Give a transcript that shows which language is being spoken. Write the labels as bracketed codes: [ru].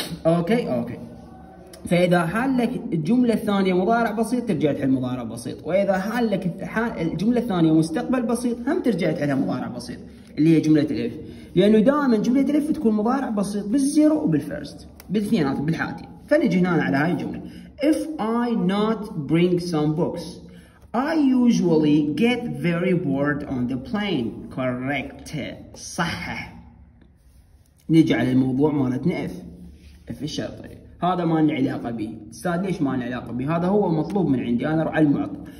[ar] اوكي اوكي، فاذا حال لك الجملة الثانية مضارع بسيط ترجع تحل مضارع بسيط، واذا حال لك الجملة الثانية مستقبل بسيط هم ترجع تحلها مضارع بسيط اللي هي جملة الاف، لانه دائما جملة الاف تكون مضارع بسيط بالزيرو وبالفيرست بالاثنينات بالحالتين. فنجي هنا على هاي الجملة، [en] if I not bring some books I usually get very bored on the plane. [ar] correct، صحح. نجي على الموضوع مالتنا اف، اف الشرطي هذا ما له علاقة بي. استاذ ليش ما له علاقة بي؟ هذا هو مطلوب من عندي انا على المعطى.